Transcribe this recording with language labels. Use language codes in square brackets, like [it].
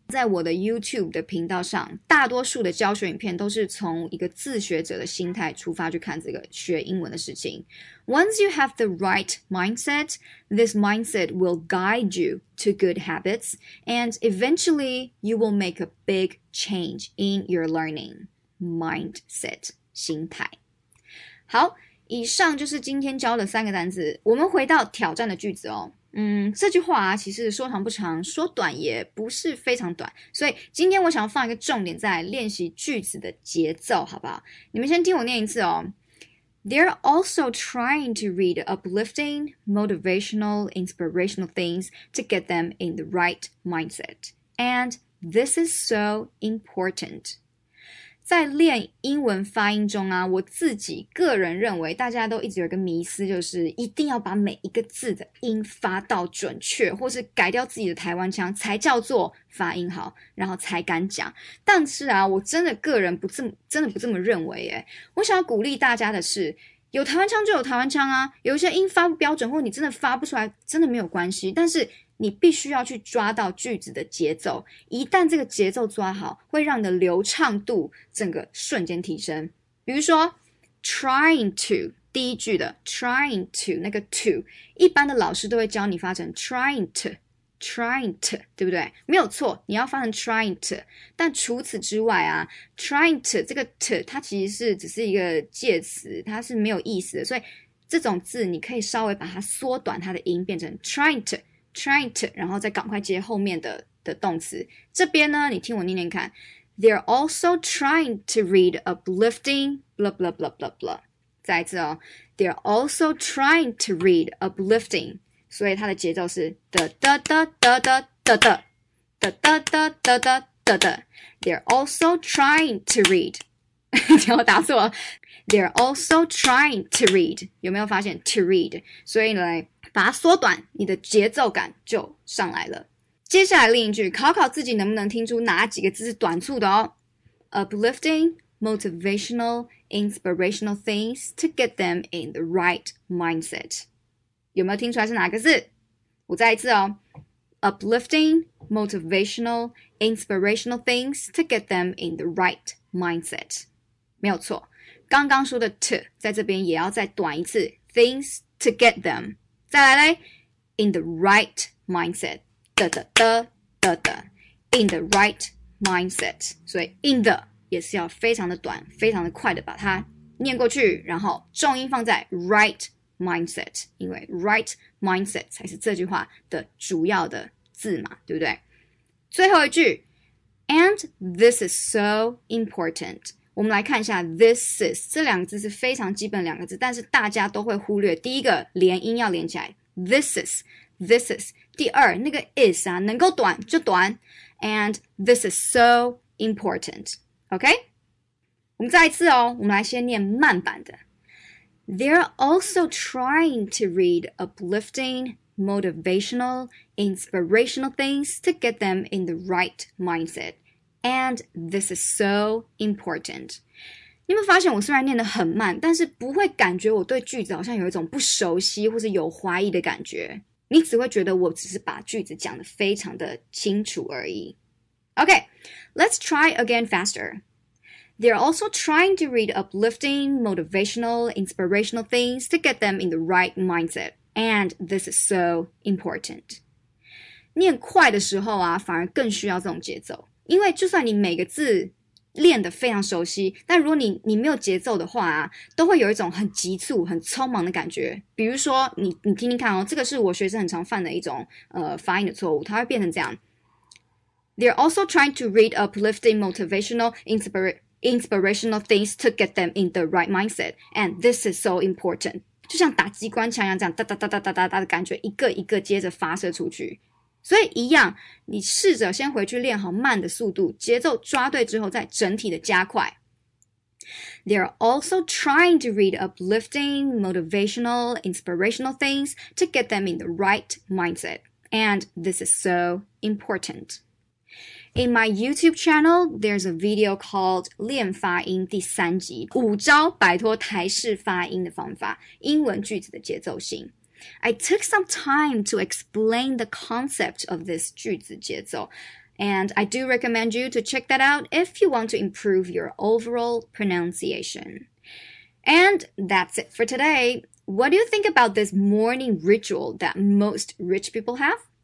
[zh] 在我的 YouTube 的频道上，大多数的教学影片都是从一个自学者的心态出发去看这个学英文的事情。 [en] Once you have the right mindset, this mindset will guide you to good habits, and eventually you will make a big change in your learning. [zh] Mindset, 心态。好，以上就是今天教的三个单字。我们回到挑战的句子哦。这句话啊，其实说长不长，说短也不是非常短，所以今天我想要放一个重点在练习句子的节奏，好不好？你们先听我念一次哦。 [en] They're also trying to read uplifting, motivational, inspirational things to get them in the right mindset. And this is so important. [zh] 在练英文发音中啊，我自己个人认为大家都一直有一个迷思，就是一定要把每一个字的音发到准确，或是改掉自己的台湾腔才叫做发音好，然后才敢讲。但是啊，我真的个人不这么认为耶。我想要鼓励大家的是，有台湾腔就有台湾腔啊，有一些音发不标准，或你真的发不出来，真的没有关系。但是你必须要去抓到句子的节奏，一旦这个节奏抓好，会让你的流畅度整个瞬间提升。比如说 [en] trying to [zh] 第一句的 trying to 那个 to， 一般的老师都会教你发成 trying to 对不对？没有错，你要发成 [en] trying to。 [zh] 但除此之外啊， trying to 这个 to 它其实是只是一个介词，它是没有意思的，所以这种字你可以稍微把它缩短它的音，变成 trying to， 然后再赶快接后面 的动词。这边呢，你听我念念看， [en] They're also trying to read uplifting blah blah blah blah blah。 [zh] 再一次哦， [en] They're also trying to read uplifting， [zh] 所以它的节奏是哒哒哒哒哒哒哒哒哒哒哒哒哒哒。 [en] They're also trying to read [zh] 你要打错， They're also trying [en] to read， [zh] 有没有发现 to read， 所以呢把它缩短，你的节奏感就上来了。接下来另一句，考考自己能不能听出哪几个字是短促的哦。 [en] Uplifting, motivational, inspirational things to get them in the right mindset. [zh] 有没有听出来是哪个字？我再一次哦。 [en] Uplifting, motivational, inspirational things to get them in the right mindset. [zh] 没有错，刚刚说的 to 在这边也要再短一次， [en] things to get them。 [zh] 再来嘞 ， [en] in the right mindset， [zh] 的的的的的 ， [en] in the right mindset， [zh] 所以 in the 也是要非常的短，非常的快的把它念过去，然后重音放在 right mindset， 因为 right mindset 才是这句话的主要的字嘛，对不对？最后一句 [en] ，and this is so important。 [zh] 我们来看一下 [en] this is， [zh] 这两个字是非常基本的两个字，但是大家都会忽略。第一个连音要连起来 [en] this is， [zh] 第二那个 is 啊，能够短就短， [en] and this is so important， [zh] OK？我们再一次哦，我们来先念慢版的。 [en] They're also trying to read uplifting, motivational, inspirational things to get them in the right mindset. And this is so important. [zh] 你们发现我虽然念得很慢，但是不会感觉我对句子好像有一种不熟悉或是有怀疑的感觉。你只会觉得我只是把句子讲得非常的清楚而已。 [en] Okay, let's try again faster. They're also trying to read uplifting, motivational, inspirational things to get them in the right mindset. And this is so important. [zh] 念快的时候啊，反而更需要这种节奏。因为就算你每个字练得非常熟悉，但如果你没有节奏的话啊，都会有一种很急促很匆忙的感觉。比如说你听听看哦，这个是我学生很常犯的一种发音的错误，它会变成这样。 [en] They're also trying to read uplifting, motivational, inspirational things to get them in the right mindset. And this is so important. [zh] 就像打机关枪一样，这样哒哒哒哒哒哒哒的感觉，一个一个接着发射出去。所以一样，你试着先回去练好慢的速度，节奏抓对之后再整体的加快。 [en] They're also trying to read uplifting, motivational, inspirational things to get them in the right mindset. And this is so important. In my YouTube channel, there's a video called [zh] 练发音第三集，五招摆脱台式发音的方法，英文句子的节奏性。 [en] I took some time to explain the concept of this [zh] 句子节奏 [en] And I do recommend you to check that out if you want to improve your overall pronunciation. And that's it for today. What do you think about this morning ritual that most rich people have?